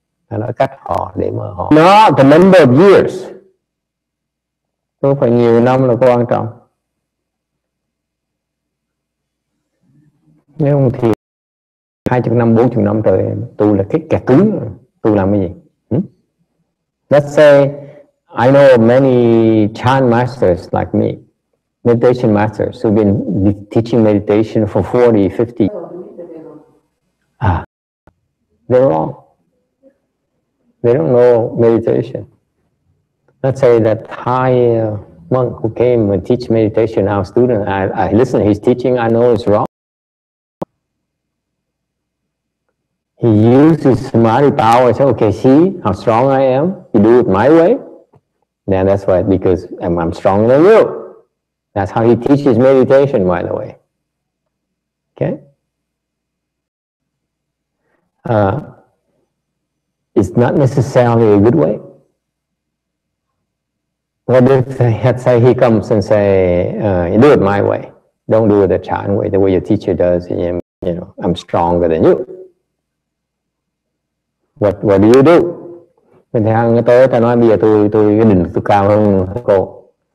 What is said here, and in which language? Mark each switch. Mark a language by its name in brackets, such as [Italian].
[Vietnamese] Nó cắt họ để mà họ. [English] Not the number of years. [Vietnamese] Không phải nhiều năm là quan trọng. Nếu không thì 20 năm, 40 năm trời tu là cái kẹt cứng. Tu làm cái gì? [English] Let's say I know many Chan masters like me, meditation masters who've been teaching meditation for 40, 50. They're wrong. They don't know meditation. Let's say that Thai monk who came and teach meditation, our student, I listen to his teaching, I know it's wrong. He uses samadhi power, so okay, see how strong I am, you do it my way. Then that's why, because I'm stronger than you. That's how he teaches meditation, by the way. Okay? It's not necessarily a good way. What if, let's say he comes and say, you do it my way. Don't do it the Chan way, the way your teacher does, you know, I'm stronger than you. What do you do? [Vietnamese] Mình thấy hàng tới ta nói bây giờ tôi cái đỉnh tôi cao hơn cô.